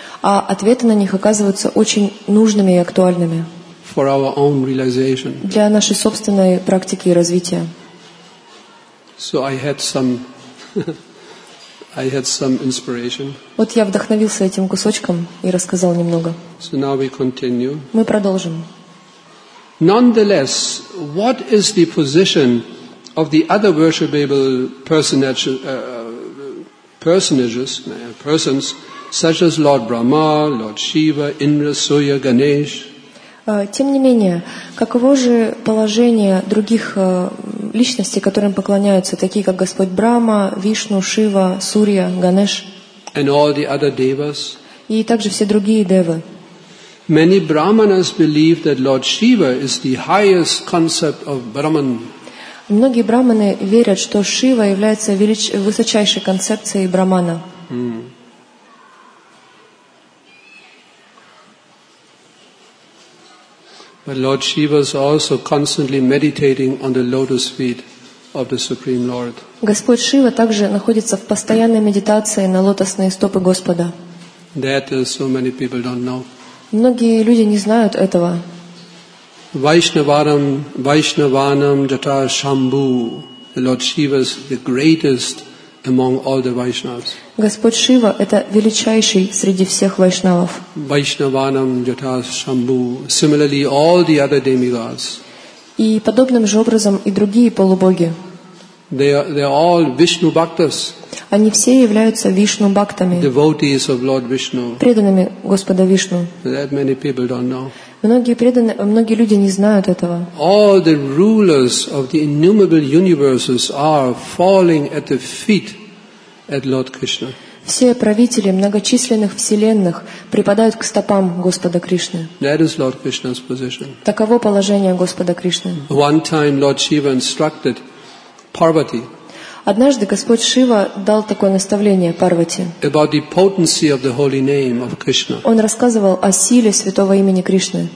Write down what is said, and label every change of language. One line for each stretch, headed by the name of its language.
Russian: А ответы на них оказываются очень нужными и актуальными.
English: For our own realization.
Russian: Для нашей собственной практики и развития.
English: So I had some... I had some inspiration.
Russian: Вот я вдохновился этим кусочком и рассказал немного.
English: So now we continue.
Russian: Мы продолжим.
English: Nonetheless, what is the position of the other worshipable persons, such as Lord Brahma, Lord Shiva, Indra, Surya, Ganesh?
Russian: Тем не менее, каково же положение других личностей, которым поклоняются, такие как Господь Брама, Вишну, Шива, Сурья, Ганеш?
English: And all the other devas.
Russian: И также все другие девы.
English: Many brahmanas believe that Lord Shiva is the highest concept of Brahman.
Russian: Многие брахманы верят, что Шива является высочайшей концепцией Брахмана.
English: But Lord Shiva is also constantly meditating on the lotus feet of the Supreme Lord.
Russian: Господь Шива также находится в постоянной медитации на лотосные стопы Господа.
English: That so many people don't know.
Russian: Многие люди не знают этого.
Sanskrit: Vaishnavanam jata shambhu.
English: Lord Shiva is the greatest among all the Vaishnavas.
Russian: Господь Шива – это величайший среди всех вайшнавов.
Sanskrit: Vaishnavanam jata shambhu.
English: Similarly, all the other demigods.
Russian: И подобным же образом и другие полубоги.
English: They are all Vishnu bhaktas.
Russian: Они все являются Вишну бхактами.
English: Devotees of Lord Vishnu.
Russian: Преданными Господа Вишну.
English: That many people don't know.
Russian: Многие люди не знают этого.
English: All the rulers of the innumerable universes are falling at the feet at Lord Krishna.
Russian: Все правители многочисленных вселенных припадают к стопам Господа Кришны.
English: That is Lord Krishna's position.
Russian: Таково положение Господа Кришны.
English: One time Lord Shiva instructed Parvati.
Russian: Однажды Господь Шива дал такое наставление Парвати.
English: About the potency of the holy name of Krishna.
Russian: Он рассказывал о силе святого имени Кришны.